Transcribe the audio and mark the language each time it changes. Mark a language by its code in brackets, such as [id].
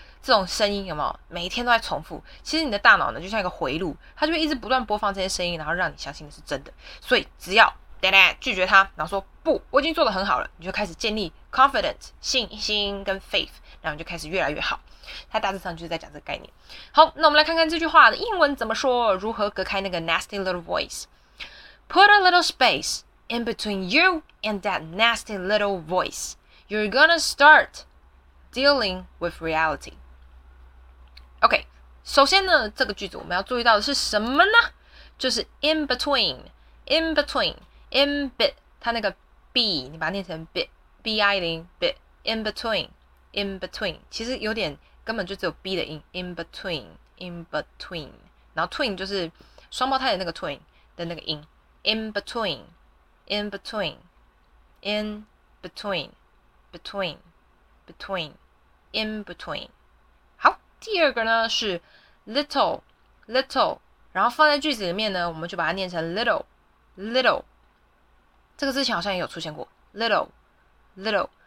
[zh] 这种声音有没有每一天都在重复？其实你的大脑呢，就像一个回路，它就会一直不断播放这些声音，然后让你相信的是真的。所以只要拒绝它，然后说不，我已经做得很好了，你就开始建立 confidence 信心跟 faith， 然后就开始越来越好。他大致上就是在讲这个概念。好，那我们来看看这句话的英文怎么说，如何隔开那个 [en] nasty little voice。 Put a little space in between you and that nasty little voice. You're gonna start dealing with reality. [zh] OK， 首先呢，这个句子我们要注意到的是什么呢？就是 in between， in between， in bit， 它那个 b 你把它念成 bit， b-i-ling bit， in between， in between， 其实有点根本就只有 B 的音 in between in between， 然后 twin 就是双胞胎的那个 twin 的那个音 in between in between in between between between in between。好，第二个呢是 little little， 然后放在句子里面呢，我们就把它念成 little little， 这个之前好像也有出现过 little little。